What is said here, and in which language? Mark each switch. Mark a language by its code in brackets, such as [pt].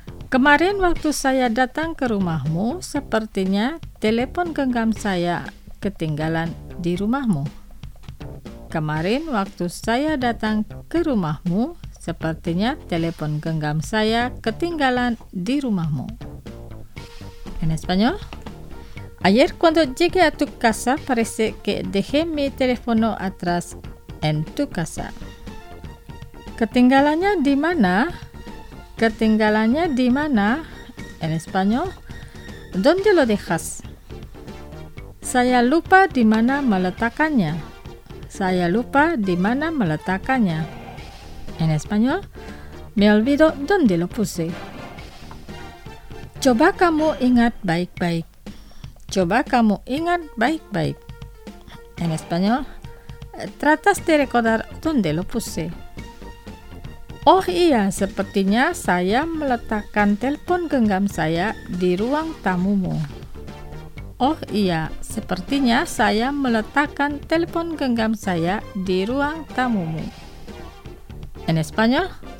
[id] Kemarin waktu saya datang ke rumahmu, sepertinya telepon genggam saya ketinggalan di rumahmu. Kemarin waktu saya datang ke rumahmu, sepertinya telepon genggam saya ketinggalan di rumahmu. [es] En español. Ayer cuando llegué a tu casa, parece que dejé mi teléfono atrás en tu casa. [id] Ketinggalannya di mana? Ketinggalannya di mana? [es] En español, ¿dónde lo dejas? [id] Saya lupa di mana meletakkannya. Saya lupa di mana meletakkannya. [es] En español, me olvido dónde lo puse. [id] Coba kamu ingat baik-baik. Coba kamu ingat baik-baik. [es] En español, tratas de recordar dónde lo puse. [id] Oh iya, sepertinya saya meletakkan telepon genggam saya di ruang tamumu. Oh iya, sepertinya saya meletakkan telepon genggam saya di ruang tamumu. [es] En español.